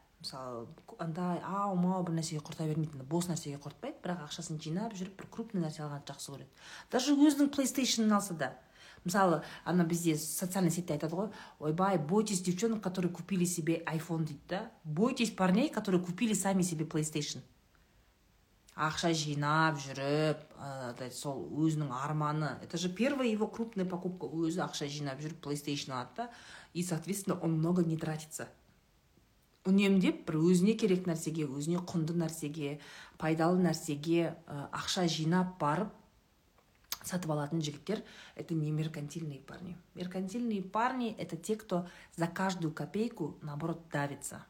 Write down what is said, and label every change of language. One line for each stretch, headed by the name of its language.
Kazakh: Мысалы, андай ау-мау бір нәрсеге құрта бермейді, бос нәрсеге құртпайды, бірақ ақшасын жинап жүріп бір крупный нәрсе алғанды жақсы көреді. Даже өзінің PlayStation-ын алса да. Мысалы, ана бізде социальный сетте айтады ғой, ойбай,
Russian: бойтесь девчонок, которые купили себе iPhone
Kazakh: дейді да?
Russian: Бойтесь парней, которые купили сами себе PlayStation.
Kazakh: Ақша жинап жүріп, сол өзінің арманы.
Russian: Это же первая его крупная покупка.
Kazakh: Өзі ақша жинап жүріп, PlayStation алады да.
Russian: И, соответственно, он много не тратится.
Kazakh: Үнемдеп, бір өзіне керек нәрсеге, өзіне құнды нәрсеге, пайдалы нәрсеге ақша жинап барып, сатып алатын жігіттер,
Russian: это не меркантильные парни. Меркантильные парни – это те, кто за каждую копейку, наоборот, давится.